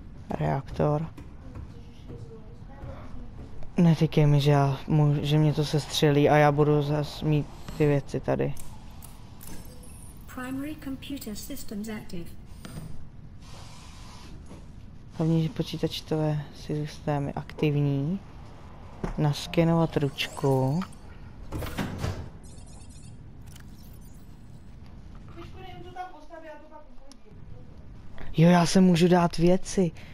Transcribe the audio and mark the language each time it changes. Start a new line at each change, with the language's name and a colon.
Czech: Reaktor. Neříkej mi, že mě to sestřelí a já budu zas mít ty věci tady.
English: Primary computer systems active.
Czech: Hlavní počítačové systémy aktivní. Naskenovat ručku. Jo, já se můžu dát věci.